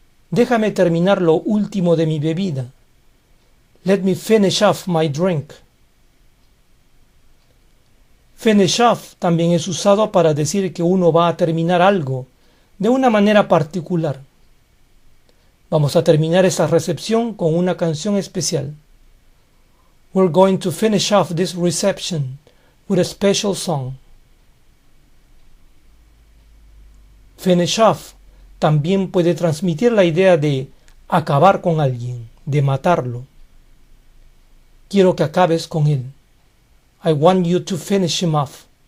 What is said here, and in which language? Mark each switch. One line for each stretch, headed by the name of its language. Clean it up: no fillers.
Spanish: Déjame terminar lo último de mi bebida.
English: Let me finish off my drink.
Spanish: Finish off también es usado para decir que uno va a terminar algo de una manera particular. Vamos a terminar esta recepción con una canción especial.
English: We're going to finish off this reception with a special song.
Spanish: Finish off también puede transmitir la idea de acabar con alguien, de matarlo. Quiero que acabes con él.
English: I want you to finish him off.